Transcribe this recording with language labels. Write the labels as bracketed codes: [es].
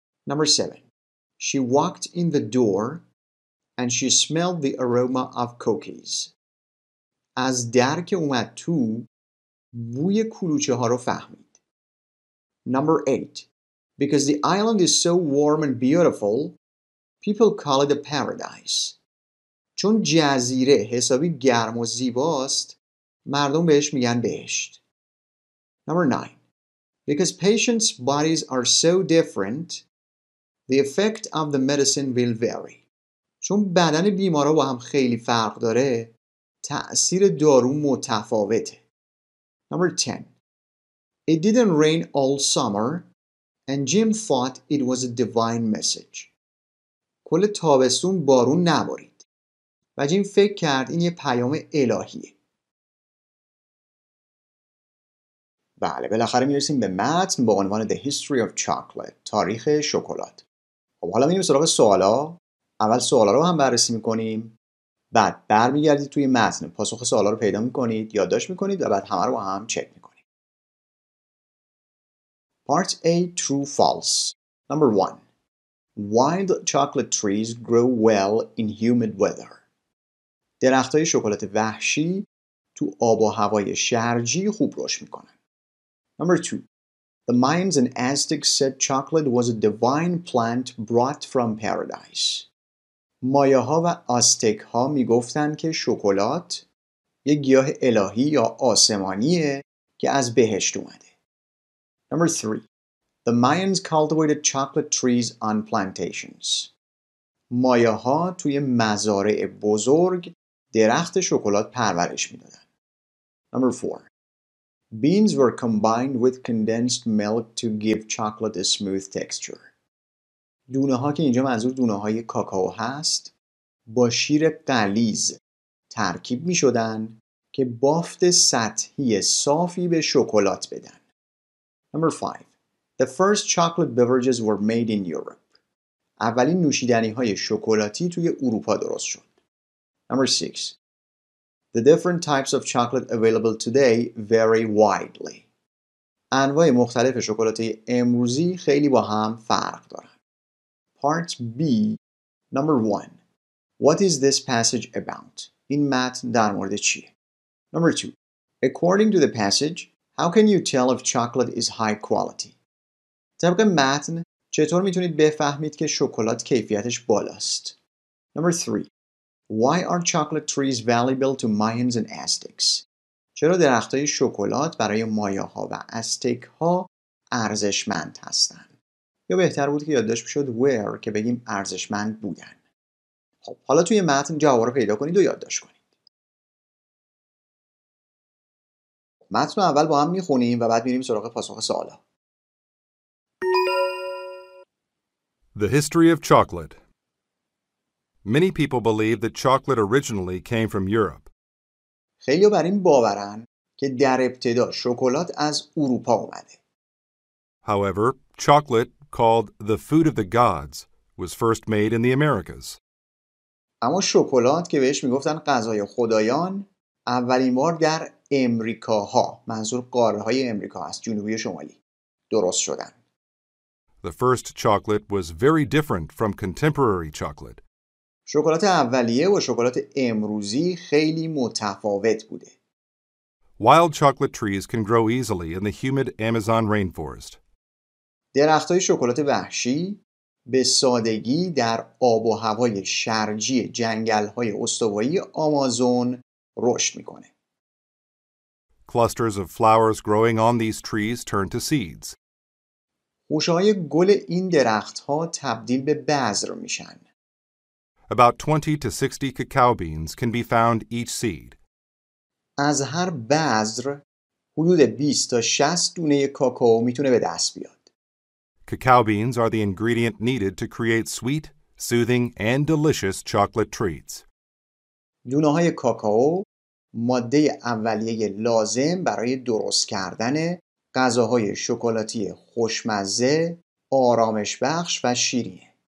[en] Number 7. She walked in the door and she smelled the aroma of cookies. [fa] از در که اومد تو بوی کلوچه ها رو فهمید. [en] Number 8. Because the island is so warm and beautiful, people call it a paradise. [fa] چون جزیره حسابی گرم و زیباست، مردم بهش میگن بهشت. [en] Number 9. Because patients' bodies are so different, the effect of the medicine will vary. [fa] چون بدن بیمارا با هم خیلی فرق داره، تأثیر دارو متفاوته. [en] Number 10. It didn't rain all summer, and Jim thought it was a divine message. [fa] کل تابستون بارون نبارید. و جیم فکر کرد این یه پیام الهیه. بله، بالاخره میرسیم به متن با عنوان [en] The History of Chocolate، [fa] تاریخ شکلات. خب حالا میریم سراغ سوالا. اول سوالا رو هم بررسی میکنیم، بعد برمیگردید توی متن پاسخ سوالا رو پیدا میکنید، یادداشت میکنید و بعد همه رو هم چک میکنید. [en] Part A: True False. Number 1. Wild chocolate trees grow well in humid weather. [fa] درختای شکلات وحشی تو آب و هوای شرجی خوب رشد میکنن. [en] Number 2. The Mayans and Aztecs said chocolate was a divine plant brought from paradise. [fa] مایاها و آستک ها می گفتن که شکلات یه گیاه الهی یا آسمانیه که از بهشت اومده. [en] Number 3. The Mayans cultivated chocolate trees on plantations. [fa] مایاها توی مزارع بزرگ درخت شکلات پرورش می دادن. [en] Number 4. Beans were combined with condensed milk to give chocolate a smooth texture. [fa] دونه ها که اینجا منظور دونه های کاکائو هست، با شیر غلیظ ترکیب می شدن که بافت سطحی صافی به شکلات بدن. [en] Number 5. The first chocolate beverages were made in Europe. [fa] اولین نوشیدنی های شکلاتی توی اروپا درست شد. [en] Number 6. The different types of chocolate available today vary widely. [fa] انواع مختلف شکلات امروزی خیلی با هم فرق دارن. [en] Part B, number 1. What is this passage about? [fa] این متن در مورد چیه؟ [en] Number 2. According to the passage, how can you tell if chocolate is high quality? [fa] طبق متن چطور میتونید بفهمید که شکلات کیفیتش بالاست؟ [en] Number 3. Why are chocolate trees valuable to Mayans and Aztecs? [fa] چرا درختای شکلات برای مایاها و استک ها ارزشمند هستند؟ یا بهتر بود که یادداشت بشد where که بگیم ارزشمند بودن. خب حالا توی متن جواب رو پیدا کنید و یادداشت کنید. متن رو اول با هم می‌خونیم و بعد می‌ریم سراغ پاسخ سوالا. [en] The History of Chocolate. Many people believe that chocolate originally came from Europe. [fa] خیلی بر این باورن که در ابتدا شکلات از اروپا اومده. [en] However, chocolate, called the food of the gods, was first made in the Americas. [fa] اما شکلات که بهش میگفتن غذای خدایان اولین بار در امریکاها، منظور قاره‌های امریکا است، جنوبی و شمالی، درست شدن. [en] The first chocolate was very different from contemporary chocolate. [fa] شکلات اولیه و شکلات امروزی خیلی متفاوت بوده. [en] Wild chocolate trees can grow easily in the humid Amazon rainforest. [fa] درخت‌های شکلات وحشی به سادگی در آب و هوای شرجی جنگل‌های استوایی آمازون رشد می‌کنه. [en] Clusters of flowers growing on these trees turn to seeds. [fa] خوشه‌های گل این درخت‌ها تبدیل به بذر می‌شن. [en] About 20 to 60 cacao beans can be found each seed. [fa] از هر بذر حدود 20 تا 60 دونه کاکائو میتونه به دست بیاد. [en] Cacao beans are the ingredient needed to create sweet, soothing and delicious chocolate treats. [fa] دونه های کاکائو ماده اولیه لازم برای درست کردن غذاهای شکلاتی خوشمزه، آرامش بخش و شیرینه.